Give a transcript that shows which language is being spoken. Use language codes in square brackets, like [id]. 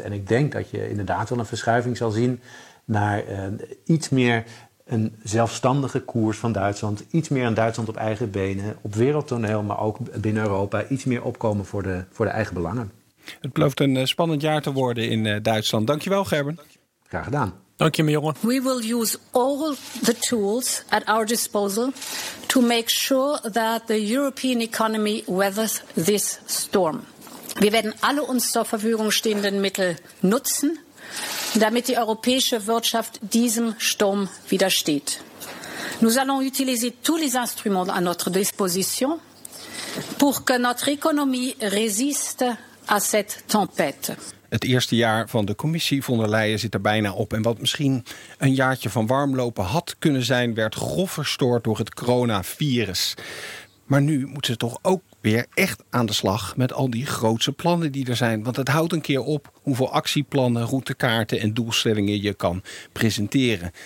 [nl] En ik denk dat je inderdaad wel een verschuiving zal zien naar iets meer een zelfstandige koers van Duitsland. Iets meer aan Duitsland op eigen benen, op wereldtoneel, maar ook binnen Europa. Iets meer opkomen voor de eigen belangen. Het belooft een spannend jaar te worden in Duitsland. Dankjewel, Gerben. Graag gedaan. Dank je, mijn jongen. [en] We will use all the tools at our disposal to make sure that the European economy weathers this storm. [de] Wir werden alle uns zur Verfügung stehenden Mittel nutzen, damit die europäische Wirtschaft diesem Sturm widersteht. [fr] Nous allons utiliser tous les instruments à notre disposition pour que notre économie résiste à cette tempête. [nl] Het eerste jaar van de commissie von der Leyen zit er bijna op. En wat misschien een jaartje van warmlopen had kunnen zijn, werd grof verstoord door het coronavirus. Maar nu moet ze toch ook weer echt aan de slag met al die grootse plannen die er zijn. Want het houdt een keer op hoeveel actieplannen, routekaarten en doelstellingen je kan presenteren.